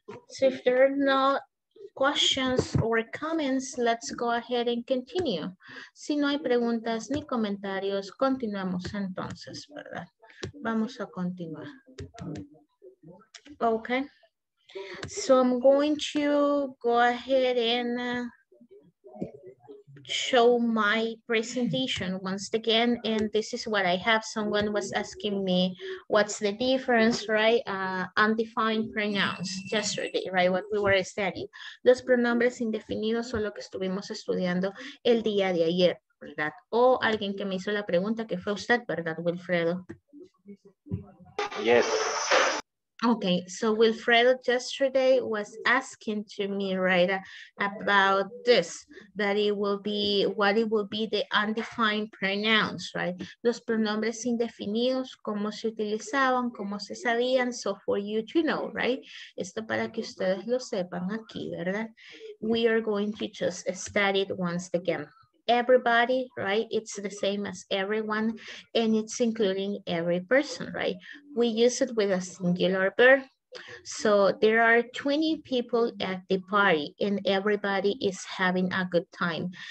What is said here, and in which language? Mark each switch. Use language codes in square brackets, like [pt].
[en] So if there are no questions or comments, let's go ahead and continue. [es] Si no hay preguntas ni comentarios, continuamos entonces, ¿verdad? Vamos a continuar. [en] Okay. So I'm going to go ahead and show my presentation once again, and this is what I have. Someone was asking me what's the difference, right? Undefined pronouns yesterday, right? What we were studying. [es] Los pronombres indefinidos son lo que estuvimos estudiando el día de ayer, ¿verdad? O alguien que me hizo la pregunta, que fue usted, ¿verdad, Wilfredo? [en] Yes. Okay, so Wilfredo yesterday was asking to me, right, about this, that it will be, what it will be the undefined pronouns, right? [es] Los pronombres indefinidos, cómo se utilizaban, cómo se sabían, [en] so for you to know, right? [es] Esto para que ustedes lo sepan aquí, ¿verdad? [en] We are going to just study it once again. Everybody, right? It's the same as everyone, and it's including every person, right? We use it with a singular verb. So there are 20 people at the party and everybody is having a good time.